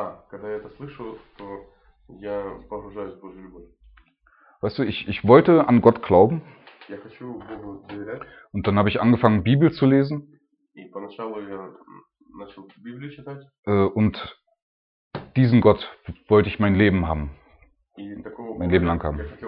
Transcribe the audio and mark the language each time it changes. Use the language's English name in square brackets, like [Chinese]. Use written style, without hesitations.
[Russian] Когда я это слышу, то я погружаюсь в Божью любовь. [German] Weißt du, ich wollte an Gott glauben. [Russian] Я хочу Богу доверять. [German] Und dann habe ich angefangen, Bibel zu lesen. [Russian] И поначалу я начал Библию читать. [German] Und diesen Gott wollte ich mein Leben haben. Mein Leben lang haben.